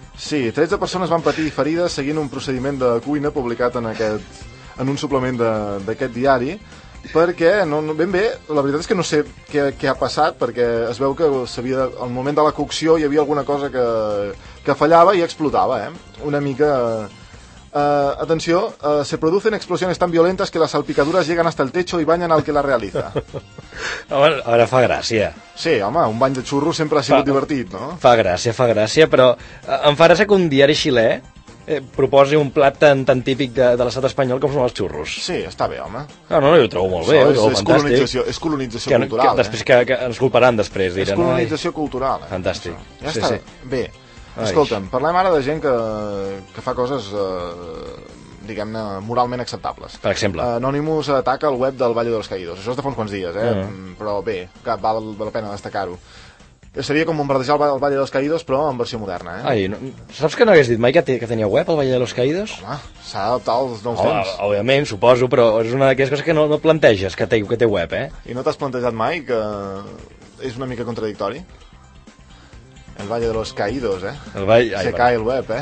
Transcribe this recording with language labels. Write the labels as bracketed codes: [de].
[ca] Sí, 13 persones van patir ferides seguint un procediment de cuina publicat en un suplement d'aquest diari. Perquè, la veritat és que no sé què ha passat, perquè es veu que al moment de la cocció hi havia alguna cosa que fallava i explotava, Una mica... [es] atenció, se producen explosiones tan violentas que las salpicaduras llegan hasta el techo y bañan al que las realiza. [ca] Home, ara fa gràcia. Sí, home, un bany de xurro sempre ha sigut divertit, no? Fa gràcia, però em fa gràcia que un diari xilè proposi un plat tan típic de l'estat espanyol com són els xurros. Sí, està bé, home. No, jo ho trobo molt bé, fantàstic. És colonització cultural. Que ens culparan després, diran. És colonització cultural. Fantàstic. Ja està bé. Escolta'm, parlem ara de gent que fa coses, diguem-ne, moralment acceptables. Per exemple? Anonymous ataca el web del Valle de los Caídos. Això és de fa uns quants dies, Però bé, que val la pena destacar-ho. Seria com bombardejar el Valle de los Caídos, però en versió moderna, Saps que no hagués dit mai que tenia web el Valle de los Caídos? Home, s'ha d'adaptar als nous temps. Òbviament, suposo, però és una d'aquelles coses que no planteges, que té web, I no t'has plantejat mai que és una mica contradictori? El Valle de los Caídos, cae el web,